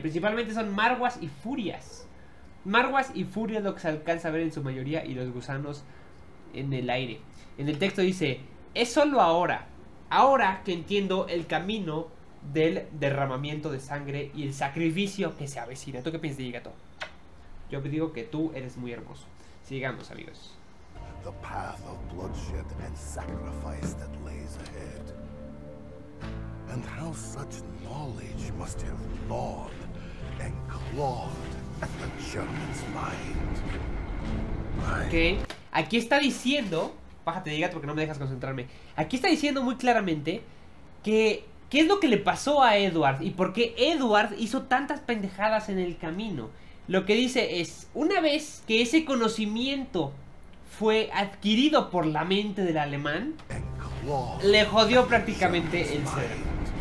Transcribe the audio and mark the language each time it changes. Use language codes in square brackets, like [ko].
[es] Principalmente son marwas y furias. Marwas y furias lo que se alcanza a ver en su mayoría, y los gusanos en el aire. En el texto dice: es solo ahora, ahora que entiendo el camino del derramamiento de sangre y el sacrificio que se avecina. ¿Tú qué piensas, Gigato? Yo te digo que tú eres muy hermoso. Sigamos, amigos. [en] The path of bloodshed and sacrifice that lays ahead. And how such knowledge must have gnawed and clawed at the German's mind. [es] Ok, aquí está diciendo, bájate de gato porque no me dejas concentrarme. Aquí está diciendo muy claramente que qué es lo que le pasó a Edward y por qué Edward hizo tantas pendejadas en el camino. Lo que dice es: una vez que ese conocimiento fue adquirido por la mente del alemán, le jodió prácticamente el ser.